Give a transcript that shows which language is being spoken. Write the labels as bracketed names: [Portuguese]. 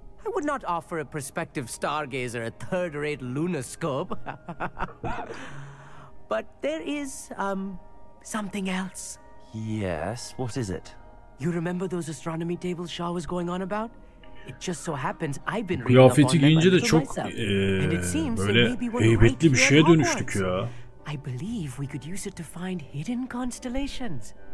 [English] I would not offer a prospective stargazer a third-rate lunoscope. But there is something else. Yes, what is it? You remember those astronomy tables Shaw was going on about? It just so happens I've been reading about them. [Turkish] Kıyafeti giyince de çok böyle heybetli bir şeye dönüştük ya. [English] I believe we could use it to find hidden constellations.